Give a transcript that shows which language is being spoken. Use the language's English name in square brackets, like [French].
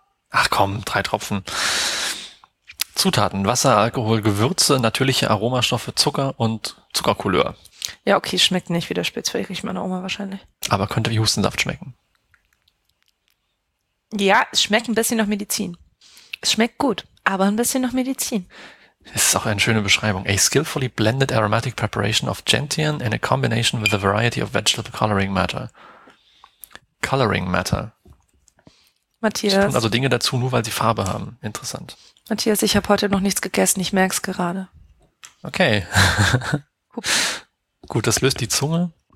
[German] Ach komm, 3 Tropfen. Zutaten, Wasser, Alkohol, Gewürze, natürliche Aromastoffe, Zucker und Zuckercouleur. Ja, okay, schmeckt nicht wie der Spitzwegrich meiner Oma wahrscheinlich. Aber könnte wie Hustensaft schmecken. Ja, es schmeckt ein bisschen nach Medizin. Es schmeckt gut, aber ein bisschen nach Medizin. Das ist auch eine schöne Beschreibung. [English] A skillfully blended aromatic preparation of gentian in a combination with a variety of vegetable coloring matter. Coloring matter. [German] Matthias. Tun also Dinge dazu, nur weil sie Farbe haben. Interessant. Matthias, ich habe heute noch nichts gegessen. Ich merk's gerade. Okay. Gut, das löst die Zunge.